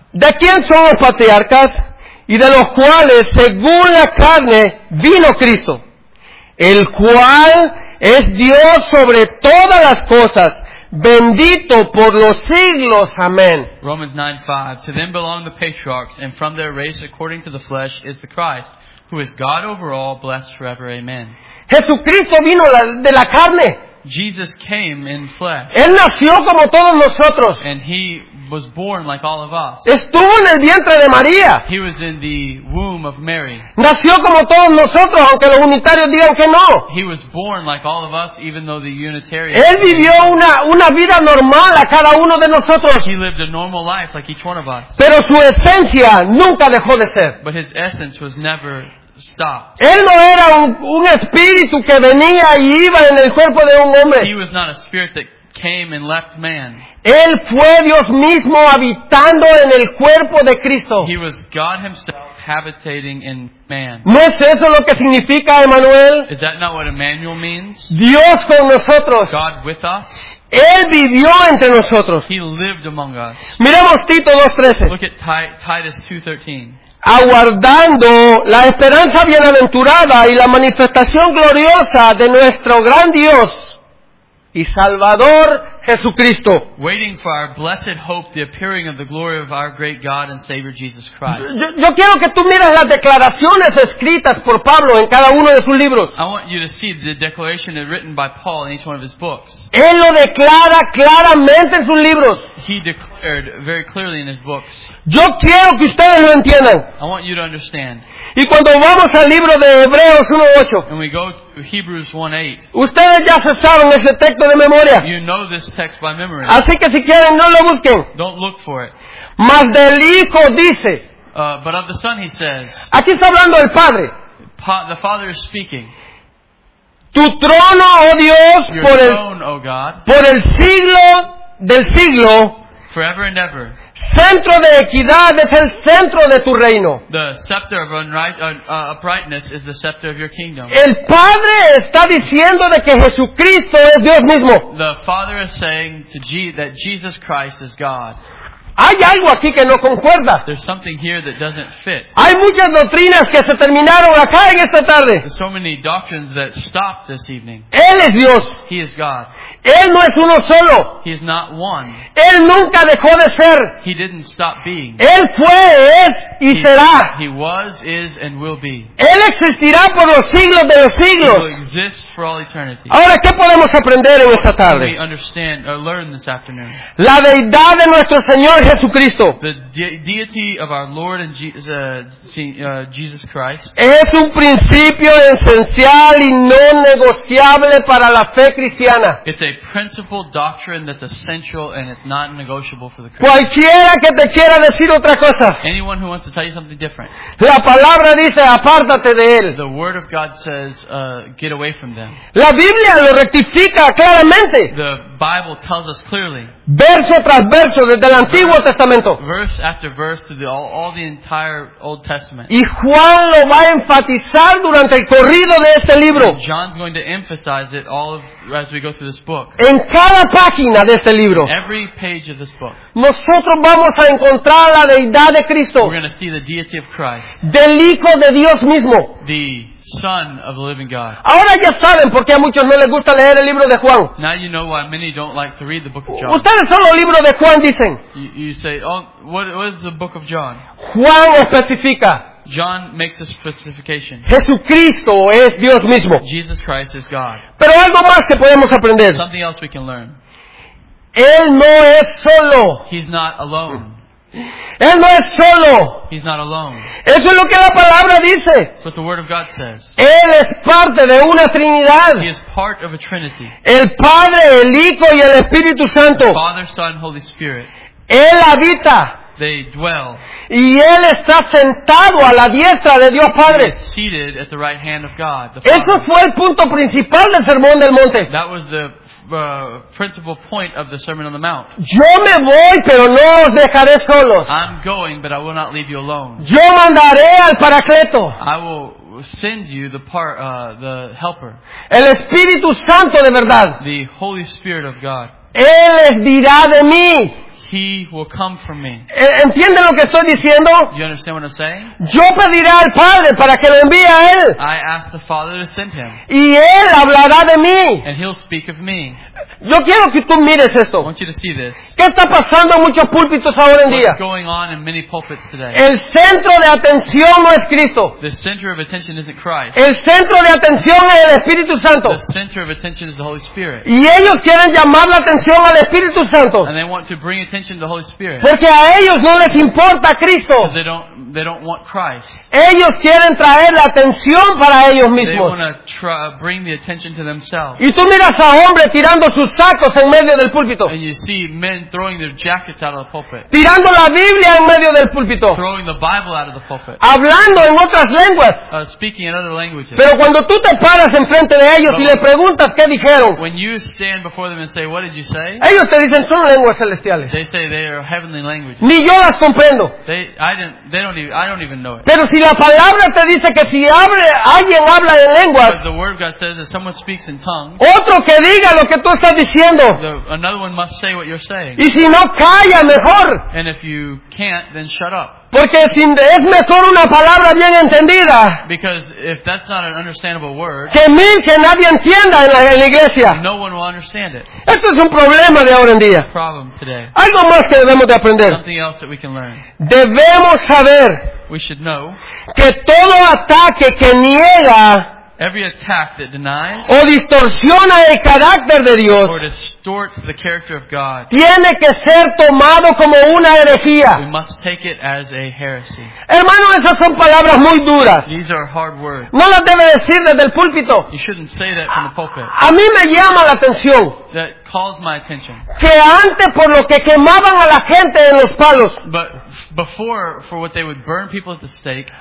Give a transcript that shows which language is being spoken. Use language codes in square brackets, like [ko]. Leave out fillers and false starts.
[es] ¿De quién son los patriarcas y de los cuales según la carne vino Cristo, el cual es Dios sobre todas las cosas, bendito por los siglos. Amén. [en] Romans 9:5. To them belong the patriarchs, and from their race according to the flesh is the Christ, who is God over all, blessed forever. Amen. [es] Jesucristo vino de la carne. [en] Jesus came in flesh. [es] Él nació como todos nosotros. [en] And he was born like all of us. [es] Estuvo en el vientre de María. [en] He was in the womb of Mary. [es] Nació como todos nosotros, aunque los unitarios digan que no. [en] He was born like all of us, even though the Unitarians. [es] Él vivió una vida normal a cada uno de nosotros. [en] He lived a normal life like each one of us. [es] Pero su esencia nunca dejó de ser. [en] But his essence was never. [es] Él no era un espíritu que venía y iba en el cuerpo de un hombre. [en] He was not a spirit that came and left man. [es] Él fue Dios mismo habitando en el cuerpo de Cristo. [en] He was God himself habitating in man. [es] ¿No es eso lo que significa Emmanuel? [en] Is that not what Emmanuel means? [es] Dios con nosotros. [en] God with us. [es] Él vivió entre nosotros. [en] He lived among us. [es] Miremos Tito 2:13. [en] Look at Titus 2:13. [es] Aguardando la esperanza bienaventurada y la manifestación gloriosa de nuestro gran Dios y Salvador Jesucristo. [en] Waiting for our blessed hope, the appearing of the glory of our great God and Savior Jesus Christ. [es] Yo quiero que tú mires las declaraciones escritas por Pablo en cada uno de sus libros. [en] I want you to see the declaration written by Paul in each one of his books. [es] Él lo declara claramente en sus libros. [en] He declared very clearly in his books. [es] Yo quiero que ustedes lo entiendan. [en] I want you to understand. [es] Y cuando vamos al libro de Hebreos 1:8. [en] And we go to Hebrews 1:8. [es] Ustedes ya se saben ese texto de memoria. [en] You know this text by memory. [es] Así que si quieren, no lo busquen. [en] Don't look for it. [es] Mas del Hijo dice. [en] But of the Son he says. [es] Aquí está hablando el Padre. [en] The Father is speaking. [es] Tu trono, oh Dios, por el siglo del siglo. [en] Forever and ever. [es] Centro de equidad es el centro de tu reino. [en] The scepter of uprightness is the scepter of your kingdom. [es] El Padre está diciendo de que Jesucristo es Dios mismo. [en] The Father is saying to that Jesus Christ is God. [es] Hay algo aquí que no concuerda. [en] There's something here that doesn't fit. [es] Hay muchas doctrinas que se terminaron acá en esta tarde. [en] There's so many doctrines that stopped this evening. [es] Él es Dios. [en] He is God. [es] Él no es uno solo. [en] He is not one. [es] Él nunca dejó de ser. [en] He didn't stop being. [es] Él fue, es y será. [en] He was, is, and will be. [es] Él existirá por los siglos de los siglos. [en] He will exist for all eternity. [es] Ahora, ¿qué podemos aprender en esta tarde? [en] What can we understand or learn this afternoon? [es] La deidad de nuestro Señor Jesucristo. [en] The deity of our Lord and Jesus Christ. [es] Es un principio esencial y no negociable para la fe cristiana. [en] It's a principle doctrine that's essential and it's not negotiable for the Christian. [es] Cualquiera que te quiera decir otra cosa. [en] Anyone who wants to tell you something different. [es] La palabra dice, apártate de él. [en] The word of God says, get away from them. [es] La Biblia lo rectifica claramente. [en] The Bible tells us clearly. [es] Verso tras verso desde el Antiguo Testamento. [en] Verse after verse through all the entire Old Testament. [es] Y Juan lo va a enfatizar durante el corrido de este libro. [en] And John's going to emphasize it all as we go through this book. [es] En cada página de este libro. [en] In every page of this book. [es] Nosotros vamos a encontrar la deidad de Cristo. [en] We're going to see the deity of Christ. [es] Del Hijo de Dios mismo. [en] The Son of the living God. [es] Ahora ya saben por qué a muchos no les gusta leer el libro de Juan. [en] Now you know why many don't like to read the book of John. [es] Ustedes son los libros de Juan, dicen. [en] You say, oh, what is the book of John? [es] Juan especifica. [en] John makes a specification. [es] Jesucristo es Dios mismo. [en] Jesus Christ is God. [es] Pero algo más que podemos aprender. [en] Something else we can learn. [es] Él no es solo. [en] He's not alone. [es] Él no es solo. [en] He's not alone. [es] Eso es lo que la palabra dice. [en] That's what the word of God says. [es] Él es parte de una Trinidad. [en] He is part of a Trinity. [es] El Padre, el Hijo y el Espíritu Santo. [en] The Father, Son, Holy Spirit. [es] Él habita. [en] They dwell. [es] Y él está sentado a la diestra de Dios Padre. [en] He is seated at the right hand of God. [es] Eso fue el punto principal del Sermón del Monte. [en] That was the principal point of the Sermon on the Mount. [es] Yo me voy, pero no os dejaré solos. [en] I'm going, but I will not leave you alone. [es] Yo mandaré al Paracleto. [en] I will send you the helper. [es] El Espíritu Santo de verdad. [en] The Holy Spirit of God. [es] Él es dirá de mí. [en] He will come from me. [es] ¿Entiende lo que estoy diciendo? [en] You understand what I'm saying? [es] Yo pediré al Padre para que lo envíe a él. [en] I ask the Father to send him. [es] Y él hablará de mí. [en] And he'll speak of me. [es] Yo quiero que tú mires esto. [en] I want you to see this. [es] ¿Qué está pasando en muchos púlpitos ahora en día? [en] What's going on in many pulpits today? [es] El centro de atención no es Cristo. [en] The center of attention isn't Christ. [es] El centro de atención es el Espíritu Santo. [en] The center of attention is the Holy Spirit. [es] Y ellos quieren llamar la atención al Espíritu Santo. [en] And they want to bring attention. [es] Porque a ellos no les importa Cristo. [en] They don't want Christ. [es] Ellos quieren traer la atención para ellos mismos. [en] They want to bring the attention to themselves. [es] Y tú miras a hombres tirando sus sacos en medio del púlpito. [en] And you see men throwing their jackets out of the pulpit. [es] Tirando la Biblia en medio del púlpito. [en] Throwing the Bible out of the pulpit. [es] Hablando en otras lenguas. [en] Speaking in other languages. [es] Pero cuando tú te paras enfrente de ellos y le preguntas qué dijeron. [en] When you stand before them and say, what did you say? [es] Ellos te dicen son lenguas celestiales. [en] They say they are heavenly languages. [es] Ni yo las comprendo. [en] I don't even know it. [es] Pero si la palabra te dice que si alguien habla en lenguas, [en] the word God says that someone speaks in tongues, [es] otro que diga lo que tú estás diciendo. [en] Another one must say what you're saying. [es] Y si no calla, mejor. [en] And if you can't, then shut up. [es] Porque es mejor una palabra bien entendida. [en] Because if that's not an understandable word, [es] que mil que nadie entienda en la iglesia. [en] No one will understand it. [es] Esto es un problema de ahora en día. [en] Problem today. [es] Algo más que debemos de aprender. [en] Something else that we can learn. [es] Debemos saber. [en] We should know. [es] Que todo ataque que niega. [en] Every attack that denies. [es] O distorsiona el carácter de Dios. [en] Or distorts the character of God. [es] Tiene que ser tomado como una herejía. [en] We must take it as a heresy. [es] Hermano, esas son palabras muy duras. [en] These are hard words. [es] No las debe decir desde el púlpito. [en] You shouldn't say that from the pulpit. [es] A mí me llama la atención. [en] That calls my attention. [es] Que antes por lo que quemaban a la gente en los palos. [en] But before for what they would burn people at the stake.